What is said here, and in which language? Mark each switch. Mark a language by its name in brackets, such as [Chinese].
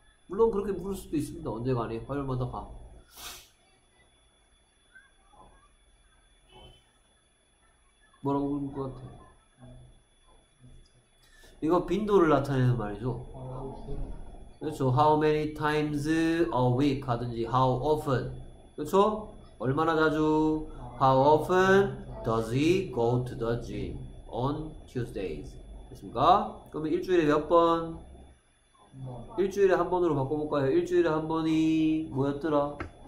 [Korean] 물론 그렇게 물을 수도 있습니다. 언제 가니? 화요일마다 가. 뭐라고 부를 것 같아? 이거 빈도를 나타내는 말이죠. 그렇죠. [English] How many times a week [Korean] 하든지 [English] How often? [Korean] 그렇죠? 얼마나 자주? [English] How often does he go to the gym on Tuesdays? [Korean] 됐습니까? 그러면 일주일에 몇 번? 일주일에 한 번으로 바꿔볼까요? 일주일에 한 번이 뭐였더라?